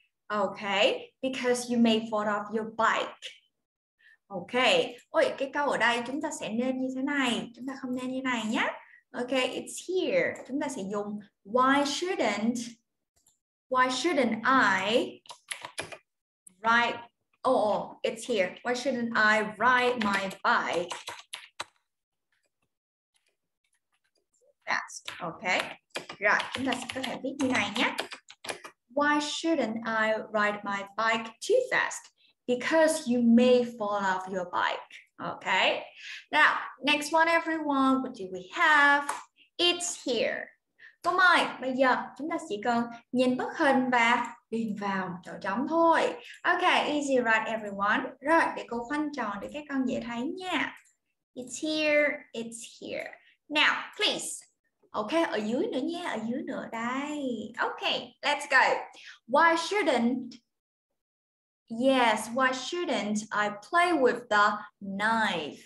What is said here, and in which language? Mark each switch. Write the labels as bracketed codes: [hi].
[en] Okay, because you may fall off your bike. [vi] Okay, ôi, cái câu ở đây chúng ta sẽ nên như thế này. Chúng ta không nên như này nhé. [en] Okay, it's here. [vi] Chúng ta sẽ dùng [en] why shouldn't Why shouldn't I write? Oh, it's here. Why shouldn't I ride my bike fast? Okay. Right. [vi] Chúng ta sẽ có thể viết như này nhé. [en] Why shouldn't I ride my bike too fast? Because you may fall off your bike. Okay. Now, next one, everyone. What do we have? It's here. [vi] Cô Mai, bây giờ chúng ta chỉ cần nhìn bức hình và điền vào chỗ trống thôi. [en] Okay, easy right everyone. [vi] Rồi, để cô khoanh tròn để các con dễ thấy nha. [en] It's here, it's here. Now, please. [vi] Okay, ở dưới nữa nha, ở dưới nữa đây. [en] Okay, let's go. Why shouldn't... Yes, why shouldn't I play with the knife?